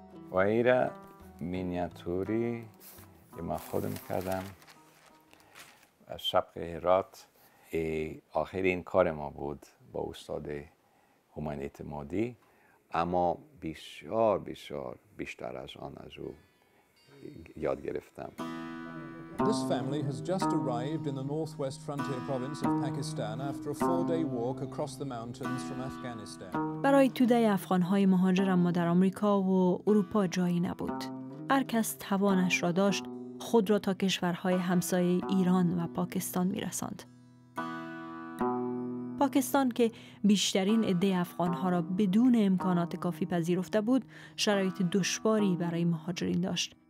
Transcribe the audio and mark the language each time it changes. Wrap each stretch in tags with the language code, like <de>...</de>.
<fa>و این را مینیاتوری که من خودم کردم از سبق هرات، آخرین کار ما بود با استاد همایون اعتمادی، اما بسیار بسیار بیشتر از آن از او یاد گرفتم.</fa> <en>This family has just arrived in the northwest frontier province of Pakistan after a 4-day walk across the mountains from Afghanistan.</en> <fa>برای توده افغان‌های مهاجر اما در آمریکا و اروپا جایی نبود. هر کس توانش را داشت خود را تا کشورهای همسایه ایران و پاکستان می‌رساند. پاکستان که بیشترین عده افغان‌ها را بدون امکانات کافی پذیرفته بود، شرایط دشواری برای مهاجرین داشت.</fa>